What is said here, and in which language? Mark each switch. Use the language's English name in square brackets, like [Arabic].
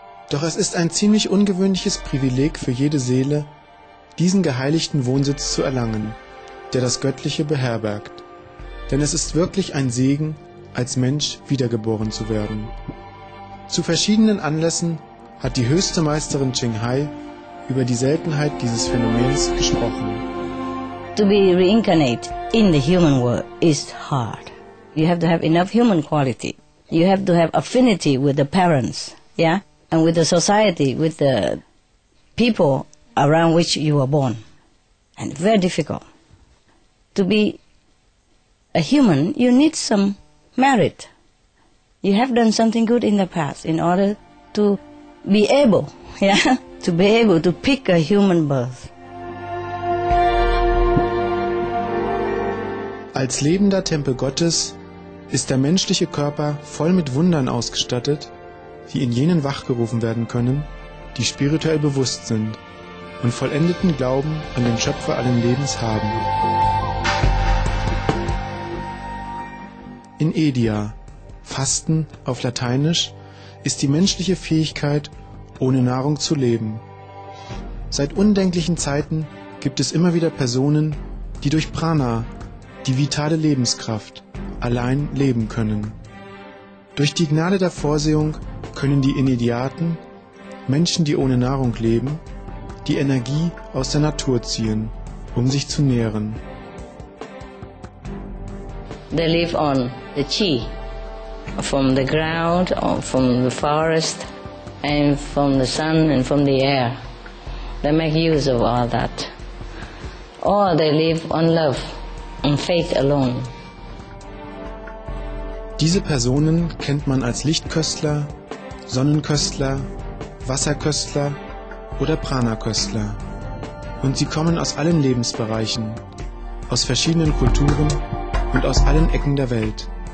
[German] Doch es ist ein ziemlich ungewöhnliches Privileg für jede Seele, diesen geheiligten Wohnsitz zu erlangen, der das Göttliche beherbergt. Denn es ist wirklich ein Segen, als Mensch wiedergeboren zu werden. Zu verschiedenen Anlässen hat die höchste Meisterin Ching Hai über die Seltenheit dieses Phänomens gesprochen. [English] To be reincarnate in the human world is hard. You have to have enough human quality. You have to have affinity with the parents, yeah? And with the society, with the people around which you were born. And very difficult. To be a human, you need some merit. You have done something good in the past in order to be able, yeah, to be able to pick a human birth. [German] Als lebender Tempel Gottes ist der menschliche Körper voll mit Wundern ausgestattet, die in jenen wachgerufen werden können, die spirituell bewusst sind und vollendeten Glauben an den Schöpfer allen Lebens haben. In Edia, Fasten auf Lateinisch, ist die menschliche Fähigkeit, ohne Nahrung zu leben. Seit undenklichen Zeiten gibt es immer wieder Personen, die durch Prana, die vitale Lebenskraft, allein leben können. Durch die Gnade der Vorsehung können die Inediaten, Menschen, die ohne Nahrung leben, die Energie aus der Natur ziehen, um sich zu nähren. [English] They live on the chi, from the ground, from the forest, and from the sun and from the air. They make use of all that. Or they live on love, on faith alone. [German] Diese Personen kennt man als Lichtköstler, Sonnenköstler, Wasserköstler oder Prana-Köstler. Und sie kommen aus allen Lebensbereichen, aus verschiedenen Kulturen und aus allen Ecken der Welt.